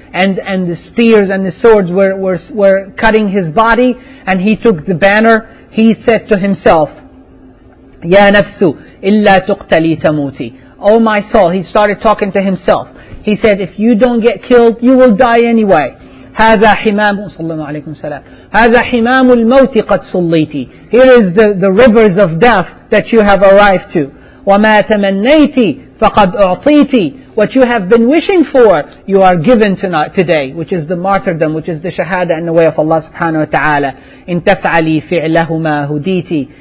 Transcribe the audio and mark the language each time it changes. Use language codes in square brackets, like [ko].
[en] And the spears and the swords were cutting his body. And he took the banner. He said to himself, [ar] Ya nafsu, illa tuqtali tamuti. [en] Oh my soul, he started talking to himself. He said, if you don't get killed, you will die anyway. [ar] هذا حمام صلّى الله عليه وسلم. هذا حمام الموت قد صليتي. [en] Here is the rivers of death that you have arrived to. [ar] وما تمنيتي فقد أعطيتي. [en] What you have been wishing for, you are given tonight, today, which is the martyrdom, which is the shahada in the way of Allah subhanahu wa ta'ala. [ar] إن تفعلي فعلهما هديتي.